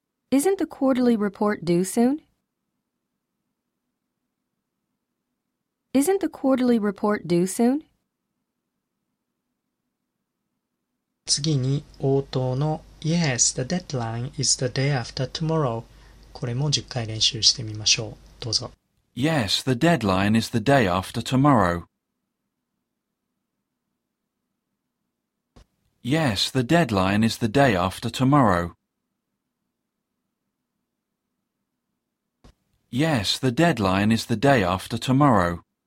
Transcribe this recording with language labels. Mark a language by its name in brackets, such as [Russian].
[English] Isn't the quarterly report due soon? Isn't the quarterly report due soon? [Japanese] 次に応答の [English] Yes, the deadline is the day after tomorrow. [Japanese] これも10回練習してみましょう。どうぞ。 [English] Yes, the deadline is the day after tomorrow. Yes, the deadline is the day after tomorrow. Yes, the deadline is the day after tomorrow.